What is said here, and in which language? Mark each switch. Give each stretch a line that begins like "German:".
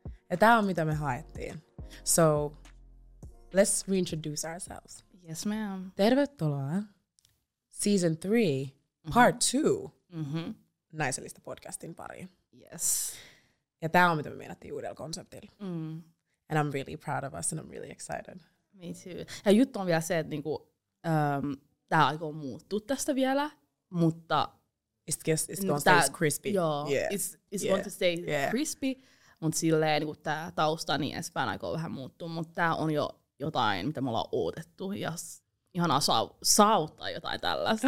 Finnish: Ja tää on mitä me haettiin.
English: So, let's reintroduce ourselves. Yes ma'am.
Finnish: Tervetuloa. Season 3, part 2. Mm-hmm. Naisellista podcastin pariin.
English: Yes.
Finnish: Ja tää on mitä me meinattiin uudella konseptilla.
English: And I'm really proud of us and I'm really excited. Me too.
Finnish: Ja juttu on vielä se, että niinku, tää aika on muuttuu tästä vielä, mutta...
English: It's gonna stay crispy.
Finnish: Joo, yeah.
English: it's going to stay crispy,
Finnish: mutta silleen niinku, tää tausta niin edespäin aika on vähän muuttuu, mutta tää on jo jotain, mitä me ollaan odotettu ja ihanaa saavuttaa jotain tällaista.